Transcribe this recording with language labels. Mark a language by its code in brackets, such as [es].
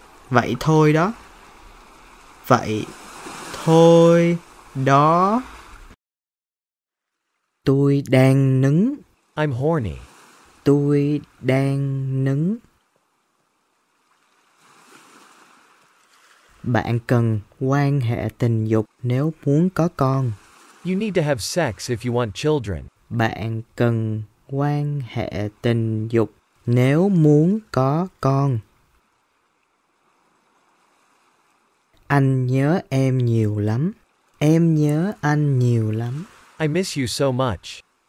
[vi] Vậy thôi đó. Vậy thôi đó. Tôi đang nứng. [en] I'm horny. [vi] Tôi đang nứng. Bạn cần quan hệ tình dục nếu muốn có con. [en] You need to have sex if you want children. [vi] Bạn cần quan hệ tình dục nếu muốn có con. Anh nhớ em nhiều lắm. Em nhớ anh nhiều lắm. [en] I miss you so much.